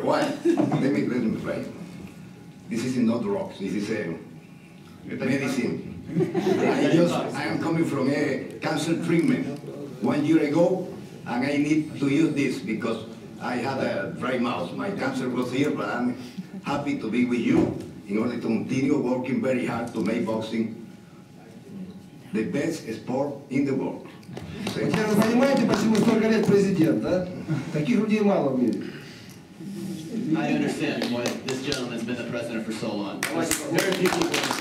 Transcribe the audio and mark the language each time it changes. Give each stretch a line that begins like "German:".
English: One year ago, and I need to use this because I had a dry mouth. My cancer was here, but I'm happy to be with you in order to continue working very hard to make boxing the best sport in the world.
Russian: Вы понимаете, почему столько лет президент, да? Таких людей мало в мире.
English: I understand why this gentleman has been the president for so long. There are people who